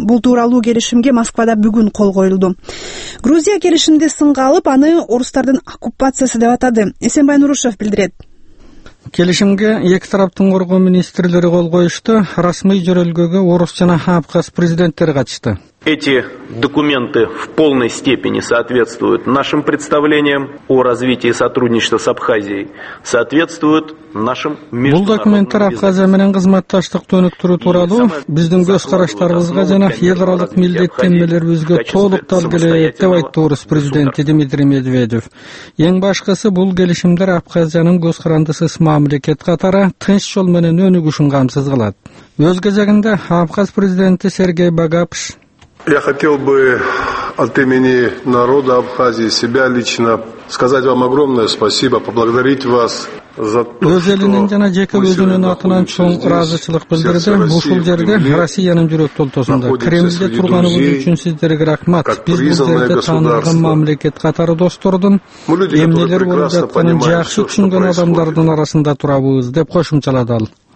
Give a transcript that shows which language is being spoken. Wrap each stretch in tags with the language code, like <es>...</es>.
<ky>Бул тууралуу келишимге Москвада бүгүн кол коюлду. Грузия келишимди сынга алып, аны орустардын оккупациясы деп атады. Эсенбай Нурушев билдирет. Келишимге эки тараптын коргоо министрлери кол коюшту. Расмий жөрөлгөгө орус жана абхаз президенттери катышты.</ky> <ru>Эти документы в полной степени соответствуют нашим представлениям о развитии сотрудничества с Абхазией, соответствуют нашим международным.</ru> <ky>Бул документтер Абхазия менен кызматташтыкты өнүктүрүү тууралуу биздин көз караштарыбызга жана эл аралык милдеттенмелерибизге толук тал келет деп айтты орус президенти Дмитрий Медведев. Эң башкысы бул келишимдер Абхазиянын көз карандысыз мамлекет катары тынч жол менен өнүгүшүн камсыз кылат. Өз кезегинде абхаз президенти Сергей Багапш:</ky> <ru>Я хотел бы от имени народа Абхазии, себя лично, сказать вам огромное спасибо, поблагодарить вас за то, что...</ru> <ky>Өз элинин жана жеке өзүнүн атынан чоң ыраазычылык билдирди. Ушул жерде Россиянын жүрөк толтосунда Кремлде турганыбыз үчүн сиздерге рахмат. Биз бул жерде таанылган мамлекет катары достордун, эмнелер болуп жатканын жакшы түшүнгөн адамдардын арасында турабыз, деп кошумчалады ал.</ky>